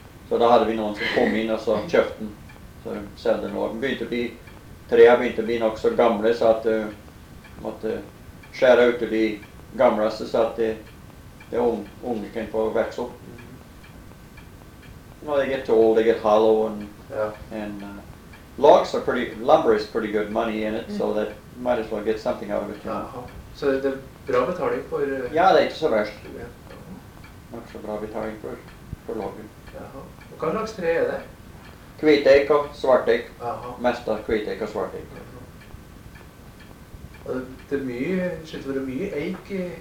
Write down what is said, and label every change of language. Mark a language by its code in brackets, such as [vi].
[no] Så da hadde vi noen som kom inn og så kjøpt den, så de selgde noe. Trea begynte å bli nok så gamle, så at vi måtte skjære ut de gamleste, så at det unge kan få vekse opp. [en] You know, they get too old, they get hollow, and logs are pretty, lumber is pretty good money in it, so that you might as well get something out of it. [no] Så det er bra betaling for... Ja, det er ikke så verst. Det er ikke så bra betaling for loggen. Og hva slags tre er det? Kviteik og svarteik. Mest av kviteik og svarteik. Det er mye, skjønt det er mye eik i...